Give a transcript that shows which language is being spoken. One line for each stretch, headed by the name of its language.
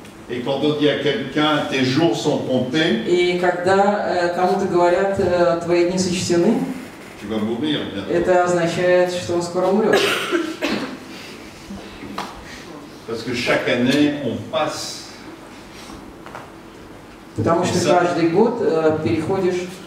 French: Et quand on dit à quelqu'un, tes jours sont comptés.
Russian: И когда кому-то говорят, твои дни сочтены.
French: Tu vas mourir.
Russian: Это означает, что он скоро умрет.
French: Parce que chaque année, on passe.
Russian: Потому что каждый год переходишь.